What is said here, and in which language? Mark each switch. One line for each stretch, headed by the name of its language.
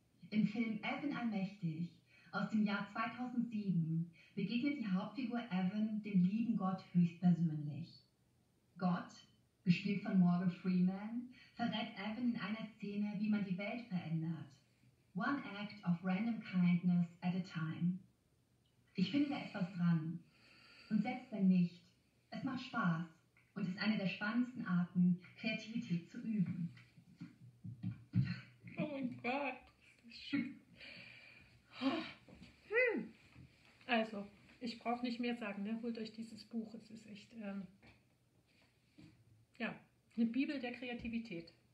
German: Im Film Evan Allmächtig aus dem Jahr 2007 begegnet die Hauptfigur Evan dem lieben Gott höchstpersönlich. Gott, gespielt von Morgan Freeman, verrät Evan in einer Szene, wie man die Welt verändert.
English: One act of random kindness at a time.
German: Ich finde da etwas dran. Und selbst wenn nicht, es macht Spaß und ist eine der spannendsten Arten, Kreativität zu üben. Oh mein Gott. Also, ich brauche nicht mehr sagen, ne? Holt euch dieses Buch. Es ist echt ja, eine Bibel der Kreativität.